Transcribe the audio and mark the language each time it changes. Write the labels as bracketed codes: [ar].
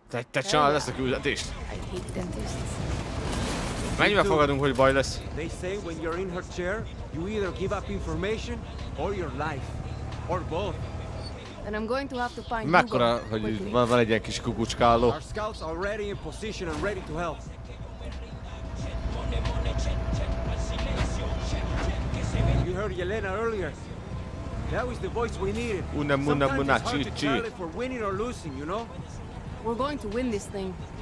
[hu] Te csinálod ezt a küldetést? Mennyibe fogadunk, hogy baj lesz? [en] They say when you're in her chair, you either give up information or your life. Or both. And I'm going to have to find [hu] Mekkora, hogy van egy ilyen kis kukucskáló. [en] Our scouts are already in position and ready to help. You heard Yelena earlier. That was the voice we needed. Sometimes it's hard to tell if we're winning or losing, you know? We're going to win this thing.